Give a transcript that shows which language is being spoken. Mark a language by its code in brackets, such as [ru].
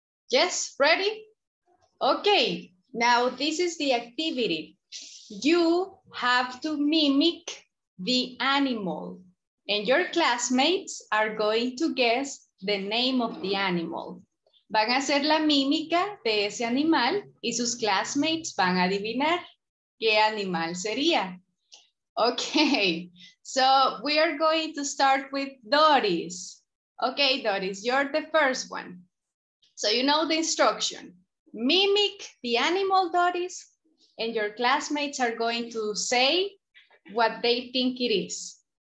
[en] Yes, ready? Okay, now this is the activity. You have to mimic the animal and your classmates are going to guess the name of the animal. [es] Van a hacer la mímica de ese animal y sus classmates van a adivinar qué animal sería. [en] Okay, so we are going to start with Doris. Okay, Doris, you're the first one. So you know the instruction. Mimic the animal, Doris, and your classmates are going to say what they think it is.